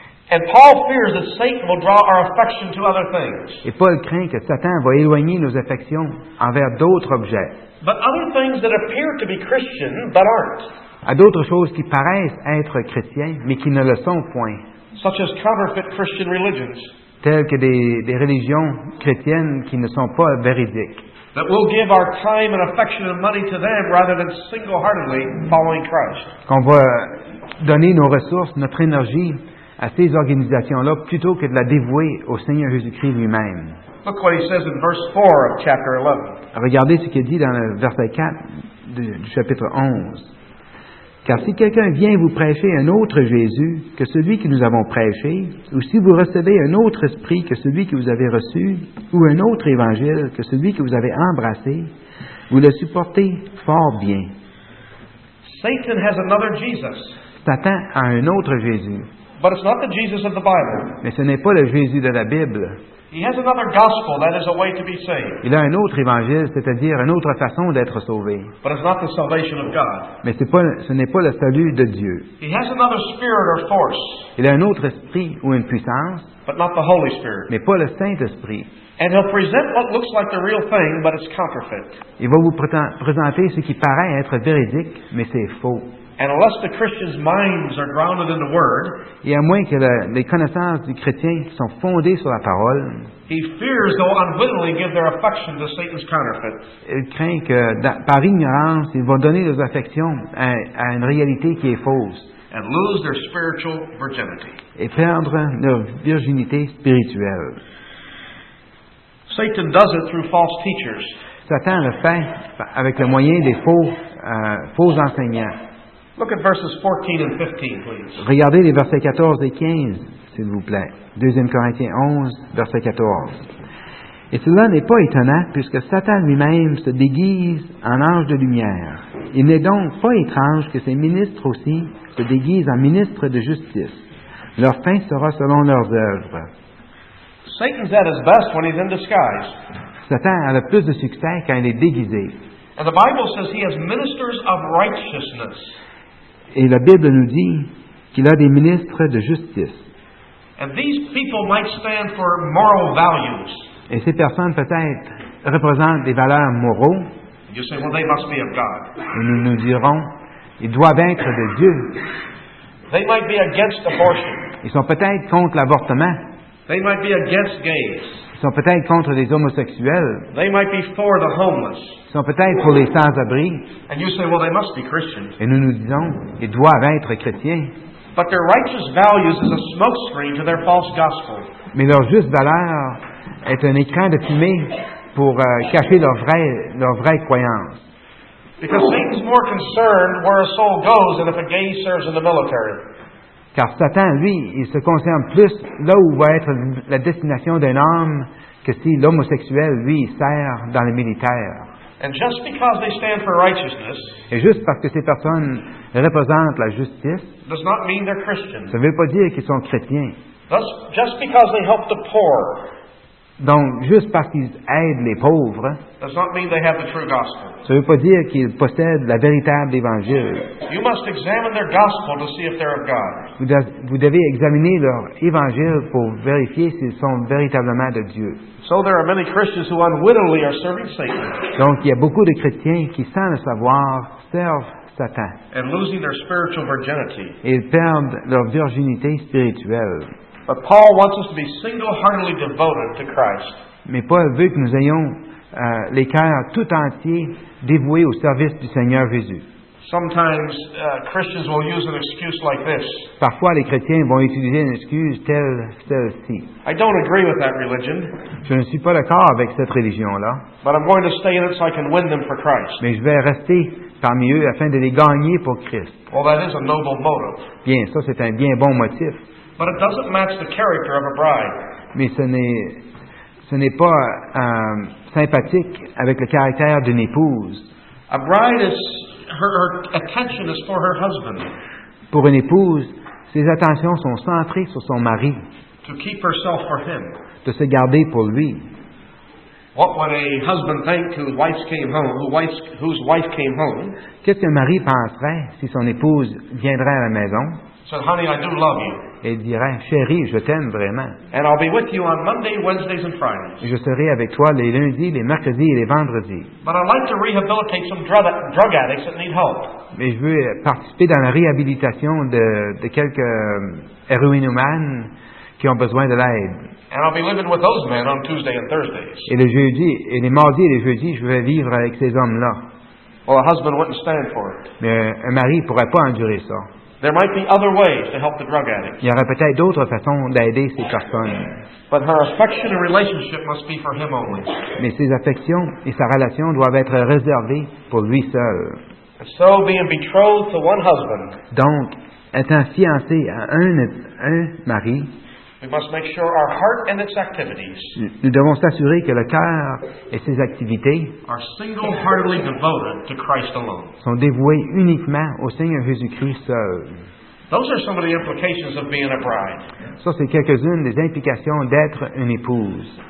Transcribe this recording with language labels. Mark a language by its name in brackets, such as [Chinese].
[English] And Paul fears that Satan will draw our affection to other things. [French] Et Paul craint que Satan va éloigner nos affections envers d'autres objets. [English] But other things that appear to be Christian but aren't. [French] À d'autres choses qui paraissent être chrétiennes mais qui ne le sont point. [English] Such as counterfeit Christian religions. [French] Telles que des religions chrétiennes qui ne sont pas véridiques. [English] That we'll give our time and affection and money to them rather than single-heartedly following Christ. [French] Qu'on va donner nos ressources, notre énergie à ces organisations-là plutôt que de la dévouer au Seigneur Jésus-Christ lui-même. [English] Look what he says in verse 4 of chapter 11. [French] Regardez ce qu'il dit dans le verset 4 du chapitre 11. Car si quelqu'un vient vous prêcher un autre Jésus que celui que nous avons prêché, ou si vous recevez un autre esprit que celui que vous avez reçu, ou un autre évangile que celui que vous avez embrassé, vous le supportez fort bien. [English] Satan has another Jesus. [French] Satan a un autre Jésus. [English] But it's not the Jesus of the Bible. [French] Mais ce n'est pas le Jésus de la Bible. [English] He has another gospel, that is a way to be saved. [French] Il a un autre évangile, c'est-à-dire une autre façon d'être sauvé. [English] But it's not the salvation of God. [French] Mais ce n'est pas le salut de Dieu. [English] He has another spirit or force. [French] Il a un autre esprit ou une puissance. [English] But not the Holy Spirit. [French] Mais pas le Saint-Esprit. [English] And he'll present what looks like the real thing, but it's counterfeit. [French] Il va vous présenter ce qui paraît être véridique, mais c'est faux. [English] And unless the Christian's minds are grounded in the Word, [French] et à moins que les connaissances du chrétien sont fondées sur la parole, [English] he fears they'll unwittingly give their affection to Satan's counterfeit. [French] Il craint que par ignorance, ils vont donner leurs affections à une réalité qui est fausse. [English] And lose their spiritual virginity. [French] Et perdre leur virginité spirituelle. [English] Satan does it through false teachers. [French] Satan le fait avec le moyen des faux enseignants. [English] Look at verses 14 and 15, please. [French] Regardez les versets 14 et 15, s'il vous plaît. 2 Corinthiens 11, verset 14. Et cela n'est pas étonnant, puisque Satan lui-même se déguise en ange de lumière. Il n'est donc pas étrange que ses ministres aussi se déguisent en ministres de justice. Leur fin sera selon leurs œuvres. [English] Satan's at his best when he's in disguise. [French] Satan a le plus de succès quand il est déguisé. [English] And the Bible says he has ministers of righteousness. [French] Et la Bible nous dit qu'il a des ministres de justice. [English] And these people might stand for moral values. [French] Et ces personnes, peut-être, représentent des valeurs moraux. [English] You say, well, they must be of God. [French] Et nous nous dirons, ils doivent être de Dieu. [English] They might be against abortion. [French] Ils sont peut-être contre l'avortement. [English] They might be against gays. [French] Ils sont peut-être contre les homosexuels. [English] They might be for the homeless. [French] Ils sont peut-être pour les sans-abri. [English] And you say, well, they must be Christians. [French] Et nous nous disons, ils doivent être chrétiens. [English] But their righteous values is a smokescreen to their false gospel. [French] Mais leur juste valeur est un écran de fumée pour cacher leur vraie croyance. [English] Because Satan's more concerned where a soul goes than if a gay serves in the military. [French] Car Satan, lui, il se concerne plus là où va être la destination d'un homme que si l'homosexuel, lui, sert dans le militaire. [English] And just because they stand for righteousness, [French] et juste parce que ces personnes représentent la justice, [English] does not mean they're Christians. [French] Ça ne veut pas dire qu'ils sont chrétiens. [English] Thus, just because they help the poor, [French] donc, juste parce qu'ils aident les pauvres, [English] does not mean they have the true gospel. [French] Ça ne veut pas dire qu'ils possèdent la véritable évangile. [English] You must examine their gospel to see if they're of God. [French] Vous devez examiner leur évangile pour vérifier s'ils sont véritablement de Dieu. [English] So there are many Christians who unwittingly are serving Satan. [French] Donc, il y a beaucoup de chrétiens qui, sans le savoir, servent Satan. [English] And losing their spiritual virginity. [French] Ils perdent leur virginité spirituelle. [English] But Paul wants us to be single-heartedly devoted to Christ. [French] Mais Paul veut que nous ayons les cœurs tout entiers dévoués au service du Seigneur Jésus. [English] Sometimes Christians will use an excuse like this. [French] Parfois les chrétiens vont utiliser une excuse telle celle-ci. [English] I don't agree with that religion. [French] Je ne suis pas d'accord avec cette religion-là. [English] But I'm going to stay in it so I can win them for Christ. [French] Mais je vais rester parmi eux afin de les gagner pour Christ. [English] Well, that is a noble motive. [French] Bien, ça c'est un bien bon motif. [English] But it doesn't match the character of a bride. [French] Mais ce n'est pas sympathique avec le caractère d'une épouse. [English] A bride is her attention is for her husband. [French] Pour une épouse, ses attentions sont centrées sur son mari. [English] To keep herself for him. [French] De se garder pour lui. [English] What would a husband think whose wife came home? [French] Qu'est-ce qu'un mari penserait si son épouse viendrait à la maison? [English] Said, honey, I do love you. [French] Et dirait, chérie, je t'aime vraiment. [English] And I'll be with you on Monday, Wednesdays, and Fridays. [French] Je serai avec toi les lundis, les mercredis et les vendredis. [English] But I'd like to rehabilitate some drug addicts that need help. [French] Mais je veux participer dans la réhabilitation de quelques héroïnomanes qui ont besoin de l'aide. [English] And I'll be living with those men on Tuesday and Thursdays. [French] Et le jeudi, et les mardis et les jeudis, je vais vivre avec ces hommes-là. [English] Well, a husband wouldn't stand for it. [French] Mais un mari ne pourrait pas endurer ça. [English] There might be other ways to help the drug addict. [French] Il y aurait peut-être d'autres façons d'aider ces personnes. [English] But her affection and relationship must be for him only. [French] Mais ses affections et sa relation doivent être réservées pour lui seul. [English] So being betrothed to one husband. [French] Donc, étant fiancé à un mari. [English] We must make sure our heart and its activities. [French] Nous devons s'assurer que le cœur et ses activités [English] are single-heartedly devoted to Christ alone. [French] Sont dévoués uniquement au Seigneur Jésus-Christ seul. [English] Those are some of the implications of being a bride. [French] Ça, c'est quelques-unes des implications d'être une épouse.